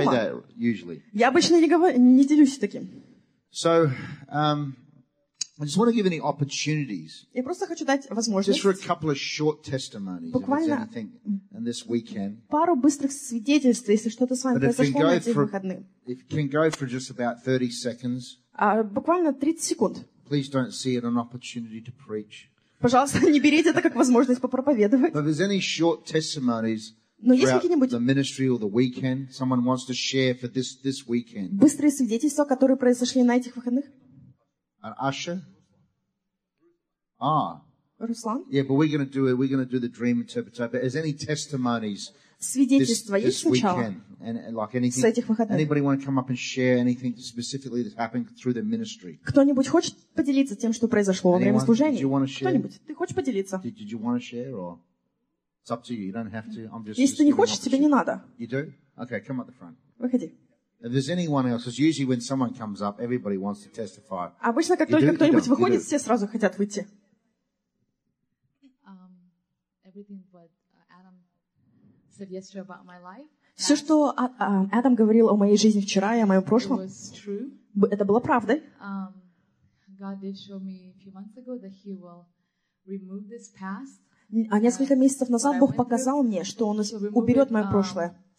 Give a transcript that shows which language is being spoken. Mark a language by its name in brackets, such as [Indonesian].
[English] I don't say that usually. [Russian] Я обычно не делюсь таким. [English] So, I just want to give any opportunities. [Russian] Я просто хочу дать возможность. [English] Just for a couple of short testimonies. [Russian] Буквально. [English] And this weekend. [Russian] Пару быстрых свидетельств, если что-то с вами произошло на этих выходных. [English] If you can go for just about 30 seconds. [Russian] Буквально 30 секунд. [English] Please don't see it as an opportunity to preach. [Russian] Пожалуйста, не берите это как возможность попроповедовать. [English] But if there's any short testimonies throughout the ministry or the weekend, someone wants to share for this weekend. [Russian] Быстрые свидетельства, которые произошли на этих выходных. [English] An usher? [Russian] Руслан? [English] Yeah, but we're gonna do the dream interpreter. But is any testimonies? [Russian] Свидетельства [English] this [Russian] есть сначала. [English] Weekend? And like anything, [Russian] с этих выходных. [English] Anybody want to come up and share anything specifically that happened through the ministry? [Russian] Кто-нибудь хочет поделиться тем, что произошло во время служения? Кто-нибудь? Ты хочешь поделиться? [English] Did you want to share or it's up to you? You don't have to. I'm just. [Russian] Если ты не хочешь, тебе не надо. [English] You do? Okay, come up the front. [Russian] Выходи. [English] If there's anyone else, it's usually when someone comes up, everybody wants to testify. [Russian] Обычно, как только кто-нибудь выходит, все сразу хотят выйти. [English] Everything what Adam said yesterday about my life. [Russian] Все, что Адам говорил о моей жизни вчера и о моем прошлом, это было правдой. [English] God did show me a few months ago that He will remove this past. [Russian] А несколько месяцев назад Бог показал мне, что Он уберет мое прошлое.